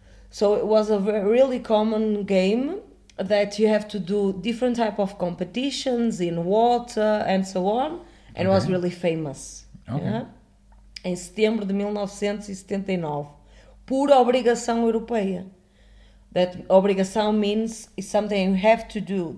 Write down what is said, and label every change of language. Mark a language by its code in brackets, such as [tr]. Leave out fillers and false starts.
[en] So it was a really common game that you have to do different type of competitions in water and so on, and okay, was really famous. Okay. Yeah? [pt] Em setembro de 1979, por obrigação europeia. [en] That obrigação means it's something you have to do.